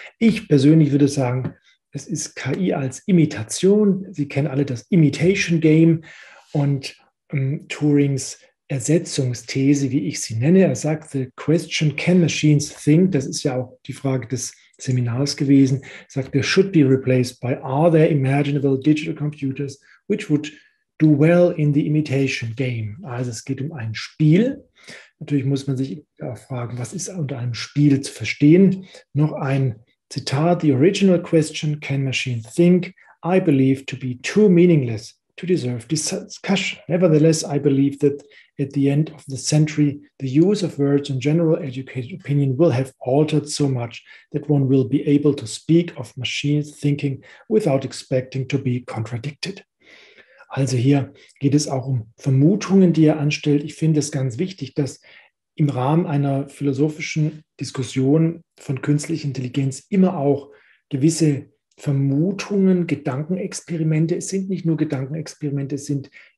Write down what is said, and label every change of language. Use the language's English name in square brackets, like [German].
[German] Ich persönlich würde sagen, es ist KI als Imitation. Sie kennen alle das Imitation Game und Turings Ersetzungsthese, wie ich sie nenne. Er sagt, [English] the question, can machines think? [German] Das ist ja auch die Frage des Seminars gewesen. Er sagt, [English] they should be replaced by are there imaginable digital computers, which would do well in the imitation game. [German] Also es geht um ein Spiel. Natürlich muss man sich auch fragen, was ist unter einem Spiel zu verstehen? Noch ein Zitat, [English] the original question, can machine think? I believe to be too meaningless to deserve discussion. Nevertheless, I believe that at the end of the century, the use of words and general educated opinion will have altered so much that one will be able to speak of machine thinking without expecting to be contradicted. [German] Also hier geht es auch um Vermutungen, die er anstellt. Ich finde es ganz wichtig, dass im Rahmen einer philosophischen Diskussion von künstlicher Intelligenz immer auch gewisse Vermutungen, Gedankenexperimente, es sind nicht nur Gedankenexperimente, es sind